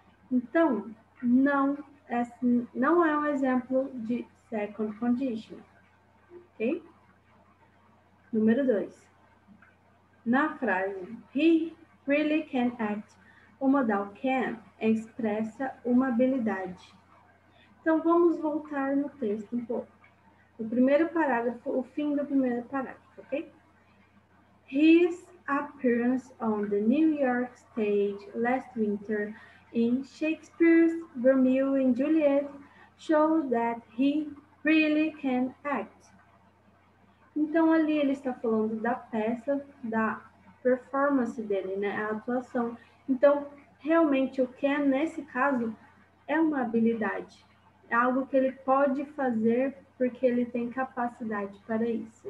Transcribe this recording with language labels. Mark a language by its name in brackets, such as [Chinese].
[Portuguese] Então, não é um exemplo de second condition. Ok? Número 2. Na frase, [English] he really can act, [Portuguese] o modal can expressa uma habilidade. Então, vamos voltar no texto um pouco. O primeiro parágrafo, o fim do primeiro parágrafo, ok? [English] His appearance on the New York stage last winter in Shakespeare's Romeo and Juliet shows that he really can act. [Portuguese] Então, ali ele está falando da peça, da performance dele, né? A atuação. Então, realmente, o can, nesse caso, é uma habilidade. É algo que ele pode fazer porque ele tem capacidade para isso.